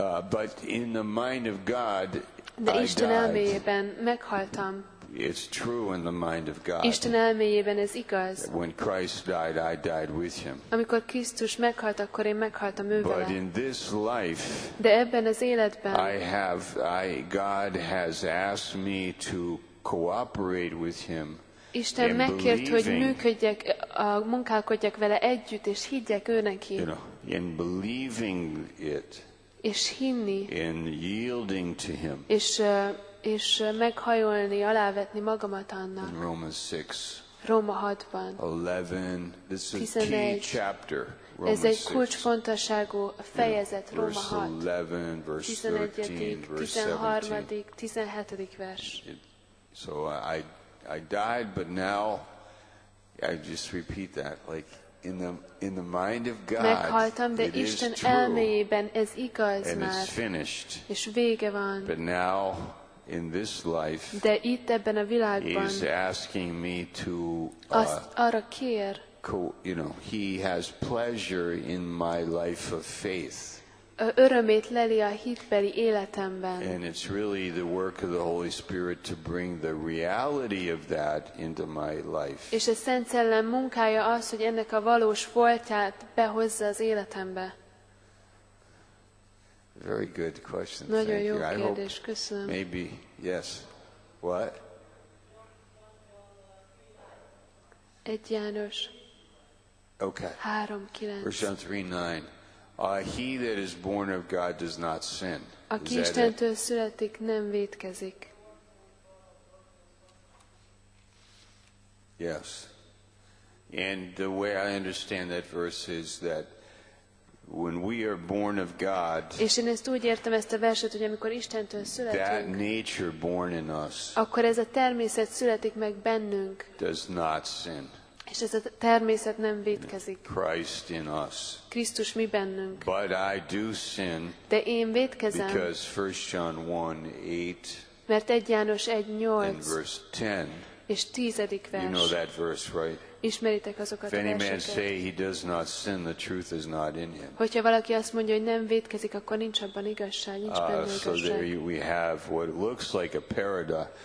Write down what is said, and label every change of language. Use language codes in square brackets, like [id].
[en] But in the mind of God, [hu] de Isten elméjében meghaltam. [en] It's true in the mind of God. [hu] Isten elméjében ez igaz. [en] When Christ died, I died with him. [hu] Amikor Krisztus meghalt, akkor én meghaltam ővele. [en] But in this life, [hu] de ebben az életben, [en] God has asked me to cooperate with him. [hu] Isten megkért, hogy működjek, munkálkodjak vele együtt, és higgyek ő neki. [en] You know, in believing it. [hu] És hinni. [en] In yielding to him. [hu] És meghajolni, alávetni magamat annak. [en] In Romans 6. [hu] Róma 6-ban. [en] 11. This is a key chapter. [hu] Roma ez egy kulcsfontosságú fejezet, yeah. Róma 6. [en] 11, verse 13, verse [hu] 13. 17. vers. [en] So I died, but now I just repeat that, like in the mind of God. [hu] Meghaltam, de Isten elméjében ez igaz már. [en] And it's finished. [hu] És vége van. [en] But now in this life, [hu] de itt ebben a világban, [en] he is asking me to [hu] arra kér, [en] you know, he has pleasure in my life of faith. [hu] Örömét leli a hitbeli életemben. [en] And it's really the work of the Holy Spirit to bring the reality of that into my life. [hu] És a Szent Szellem munkája az, hogy ennek a valós voltját behozza az életembe. [en] Very good question. [hu] Nagyon [en] thank [hu] jó [en] you. [hu] Kérdés, hope, köszönöm. [en] Maybe, yes. What? [hu] Egy János. [en] Okay. 3:9. Verse 3:9. He that is born of God does not sin. [hu] Aki Istentől születik, nem vétkezik. [en] Yes. And the way I understand that verse is that when we are born of God, [hu] és én ezt úgy értem, ezt a verset, hogy amikor Istentől születünk, [en] that nature born in us, [hu] akkor ez a természet születik meg bennünk, [en] does not sin. [hu] És ez a természet nem vétkezik. [en] Christ in us. [hu] Krisztus mi bennünk. [en] But I do sin. [hu] De én vétkezem. [en] Because 1 John 1, 8. [hu] Mert 1 János 1:8. [en] And verse 10. [hu] És 10. vers. [en] You know that verse, right? [hu] Ismeritek azokat [en] if [hu] a verseket. [en] If any man say he does not sin, the truth is not in him. [hu] Hogyha valaki azt mondja, hogy nem vétkezik, akkor nincs abban igazság, nincs benne igazság. [en] So there we have what looks like a paradox.